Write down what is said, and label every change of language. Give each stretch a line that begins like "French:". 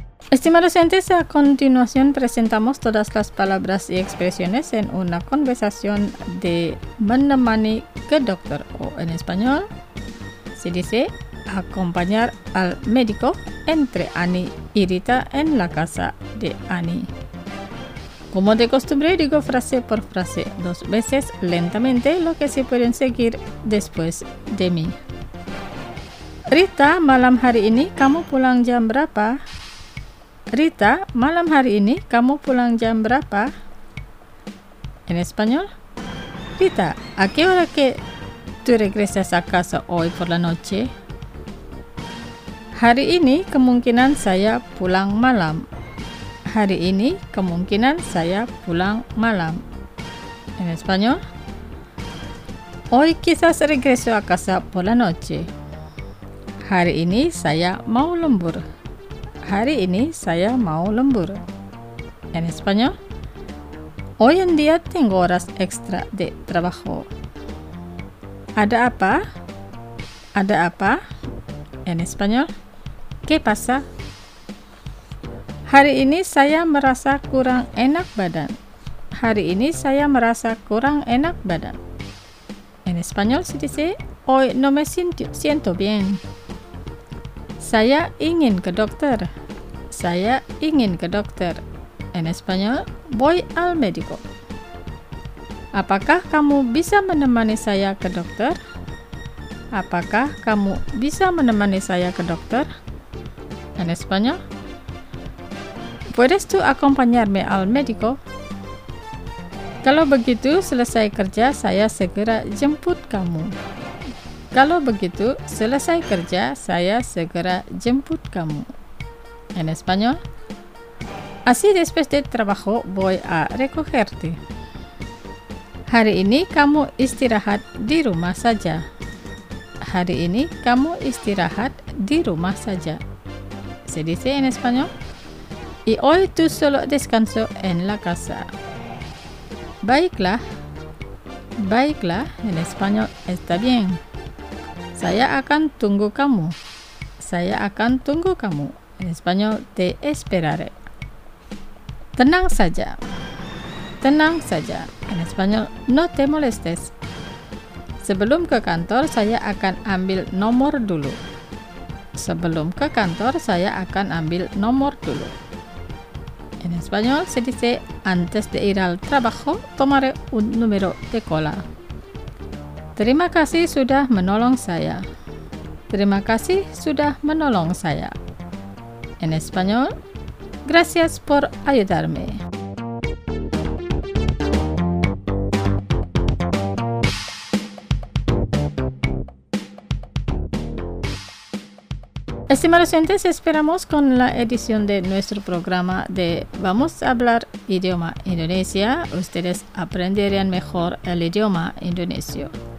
Spanish: Estimados oyentes, a continuación presentamos todas las palabras y expresiones en una conversación de
Indonesian: menemani ke dokter,
Spanish: o en español, se dice acompañar al médico, entre Ani y Rita en la casa de Ani. Como de costumbre, digo frase por frase dos veces lentamente lo que se pueden seguir después de mí.
Indonesian: Rita, malam hari ini kamu pulang jam berapa? Rita, malam hari ini kamu pulang jam berapa?
Spanish: En español. Rita, ¿a qué hora que tú regresas a casa hoy por la noche?
Indonesian: Hari ini kemungkinan saya pulang malam. Hari ini kemungkinan saya pulang malam.
Spanish: En español. Hoy quizás regreso a casa por la noche.
Indonesian: Hari ini saya mau lembur. Hari ini saya mau lembur.
Spanish: En español. Hoy en día tengo horas extra de trabajo.
Indonesian: Ada apa? Ada apa?
Spanish: En español. ¿Qué pasa?
Indonesian: Hari ini saya merasa kurang enak badan. Hari ini saya merasa kurang enak badan.
Spanish: En español se dice hoy no me siento bien.
Indonesian: Saya ingin ke dokter. Saya ingin ke dokter.
Spanish: En español, voy al médico.
Indonesian: Apakah kamu bisa menemani saya ke dokter? Apakah kamu bisa menemani saya ke dokter?
Spanish: En español, ¿puedes tú acompañarme al médico?
Indonesian: Kalau begitu, selesai kerja, saya segera jemput kamu. Kalau begitu, selesai kerja, saya segera jemput kamu.
Spanish: En español. Así después de trabajo voy a recogerte.
Indonesian: Hari ini kamu istirahat di rumah saja. Hari ini kamu istirahat di rumah saja.
Spanish: Se dice en español. Y hoy tú solo descanso en la casa.
Indonesian: Baiklah. Baiklah.
Spanish: En español está bien.
Indonesian: Saya akan tunggu kamu. Saya akan tunggu kamu.
Spanish: En español, te esperaré.
Indonesian: Tenang saja. Tenang saja.
Spanish: En español, no te molestes.
Indonesian: Sebelum ke kantor, saya akan ambil nomor dulu. Sebelum ke kantor, saya akan ambil nomor dulu.
Spanish: En español, se dice, antes de ir al trabajo, tomaré un número de cola.
Indonesian: Terima kasih sudah menolong saya. Terima kasih sudah menolong saya.
Spanish: En español, gracias por ayudarme. Estimados oyentes, esperamos con la edición de nuestro programa de Vamos a hablar idioma indonesia, ustedes aprenderían mejor el idioma indonesio.